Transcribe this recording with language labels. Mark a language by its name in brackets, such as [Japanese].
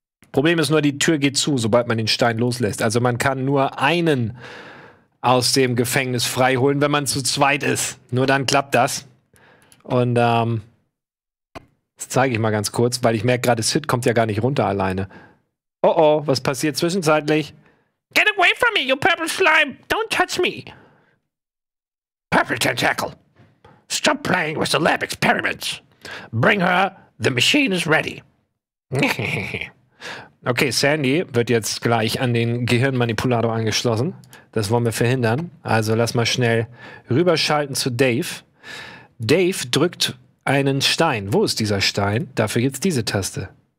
[German] Problem ist nur, die Tür geht zu, sobald man den Stein loslässt. Also man kann nur einen aus dem Gefängnis freiholen, wenn man zu zweit ist. Nur dann klappt das. Und das zeige ich mal ganz kurz, weil ich merke gerade, Sid kommt ja gar nicht runter alleine. Oh oh, was passiert zwischenzeitlich? [English] Get away from me, you purple slime! Don't touch me! Purple tentacle! Stop playing with the lab experiments! Bring her, the machine is ready! [German] Okay, Sandy wird jetzt gleich an den Gehirnmanipulator angeschlossen. Das wollen wir verhindern. Also lass mal schnell rüberschalten zu Dave. Dave drückt einen Stein. Wo ist dieser Stein? Dafür jetzt diese Taste.